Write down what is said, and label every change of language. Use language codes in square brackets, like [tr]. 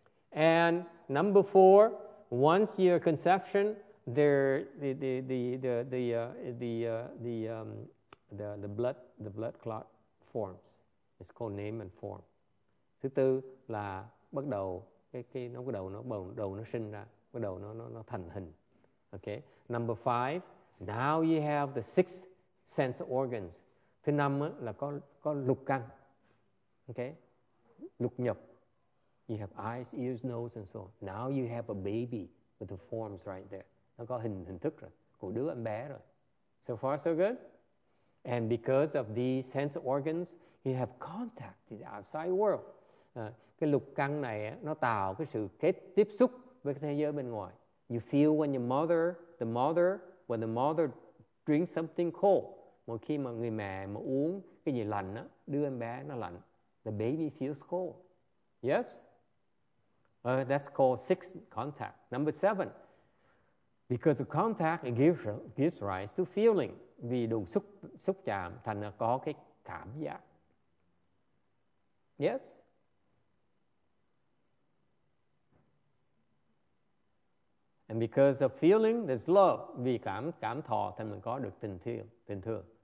[en] And number four, once your conception, the blood clot forms. It's called name and form. [vi] Thứ tư là bắt đầu nó thành hình. [en] Okay. Number five, now you have the six sense organs. [vi] Thứ năm là có lục căn. Okay. Lục nhập. [en] You have eyes, ears, nose and so on. Now you have a baby with the forms right there. [vi] Nó có hình thức rồi, của đứa em bé rồi. [en] So far so good. And because of these sense organs, you have contact with the outside world. [vi] cái lục căn này nó tạo cái sự kết tiếp xúc với cái thế giới bên ngoài. [en] You feel when your mother, when the mother drinks something cold, [vi] mỗi khi mà người mẹ mà uống cái gì lạnh á, đưa em bé nó lạnh, [en] the baby feels cold. Yes? That's called sixth contact. Number seven, because of contact, it gives rise to feeling. [vi] Vì đủ xúc chạm thành là có cái cảm giác. Yes? [en] And because of feeling, there's love. [vi] Vì cảm thọ thành mình có được tình thương.